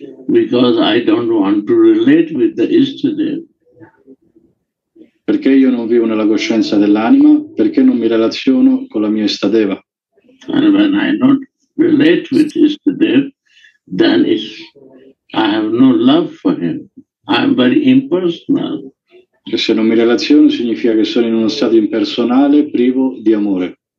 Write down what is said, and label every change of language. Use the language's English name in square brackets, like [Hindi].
[English] Because I don't want to relate with the yesterday. [Italian] Perché io non vivo nella coscienza dell'anima? Perché non mi relaziono con la mia istadeva? [English] And when I don't relate with istadeva, then I have no love for him. I'm very impersonal. [Italian] E se non mi relaziono significa che sono in uno stato impersonale, privo di amore.